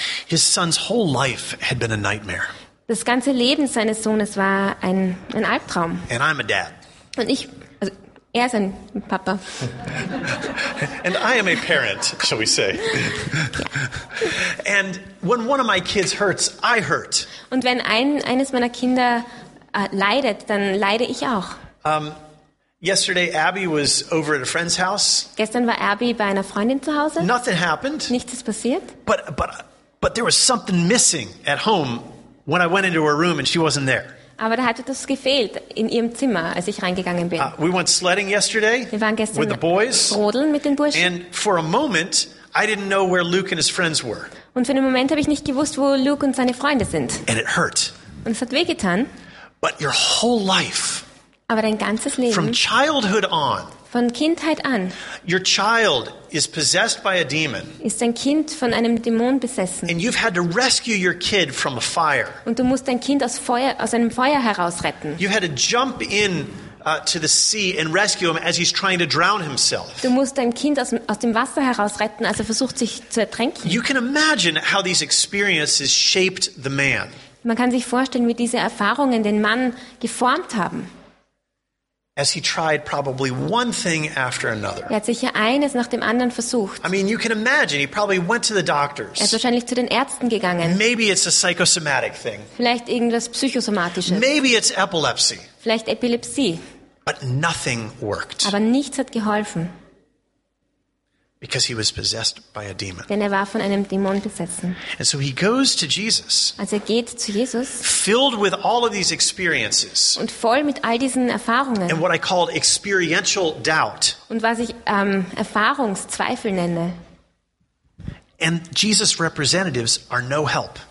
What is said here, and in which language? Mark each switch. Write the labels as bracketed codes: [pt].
[en] His son's whole life had been a nightmare. [de] Das ganze Leben seines Sohnes war ein Albtraum. [en] And I'm a dad. [de] Und ich, also er ist ein Papa. [en] And I am a parent, shall we say. And when one of my kids hurts, I hurt. [de] Und wenn eines meiner Kinder leidet, dann leide ich auch. [en] Yesterday Abby was over at a friend's house. [de] Gestern war Abby bei einer Freundin zu Hause. [en] Nothing happened. [de] Nichts ist passiert. [en] But there was something missing at home when I went into her room and she wasn't there. [de] Aber da hat etwas gefehlt in ihrem Zimmer, als ich reingegangen bin. [en] We went sledding yesterday. [de] Wir waren gestern [en] with the boys. [de] Rodeln mit den Burschen. [en] And for a moment, I didn't know where Luke and his friends were. [de] Und für einen Moment habe ich nicht gewusst, wo Luke und seine Freunde sind. [en] And it hurt. [de] Und es hat wehgetan. [en] But your whole life. [de] Aber dein ganzes Leben. [en] From childhood on. [de] Von Kindheit an. [en] Your child is possessed by a demon. [de] Ist dein Kind von einem Dämon besessen. [en] And you've had to rescue your kid from a fire. [de] Und du musst dein Kind aus einem Feuer herausretten. [en] You had to jump in to the sea and rescue him as he's trying to drown himself. [de] Du musst dein Kind aus dem Wasser herausretten, als er versucht sich zu ertränken. [en] You can imagine how these experiences shaped the man. [de] Man kann sich vorstellen, wie diese Erfahrungen den Mann geformt haben. [en] As he tried probably one thing after another. [de] Er hat sich ja eines nach dem anderen versucht. [en] I mean, you can imagine he probably went to the doctors. [de] Er ist wahrscheinlich zu den Ärzten gegangen. [en] Maybe it's a psychosomatic thing. [de] Vielleicht irgendwas psychosomatisches. [en] Maybe it's epilepsy. [de] Vielleicht Epilepsie. [en] But nothing worked. [de] Aber nichts hat geholfen. [en] Because he was possessed by a demon. [de] Denn er war von einem Dämon besessen. [en] And so he goes to Jesus. [de] Also er geht zu Jesus. [en] Filled with all of these experiences. [de] Und voll mit all diesen Erfahrungen. [en] And what I call experiential doubt. [de] Und was ich Erfahrungszweifel nenne. [en] And Jesus' representatives are no help.